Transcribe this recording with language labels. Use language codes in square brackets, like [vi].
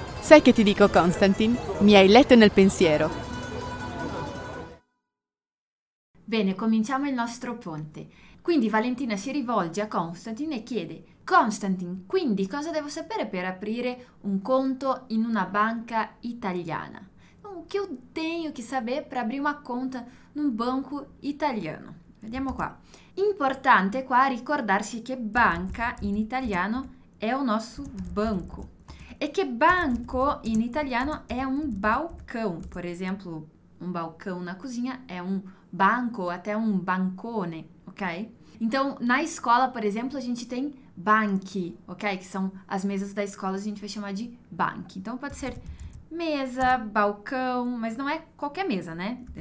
[it] Sai che ti dico, Constantin? Mi hai letto nel pensiero. Bene, cominciamo il nostro ponte. Quindi Valentina si rivolge a Constantin e chiede: Constantin, quindi cosa devo sapere per aprire un conto in una banca italiana? [pt] O que eu tenho que saber para abrir uma conta num banco italiano? [it] Vediamo qua. Importante qua ricordarsi che banca in italiano è [pt] o nosso banco. [it] E che banco in italiano è un balcão. [pt] Por exemplo, um balcão na cozinha é um banco, até um bancone, ok? Então, na escola, por exemplo, a gente tem banchi, ok? Que são as mesas da escola, a gente vai chamar de banchi. Então, pode ser mesa, balcão, mas não é qualquer mesa, né?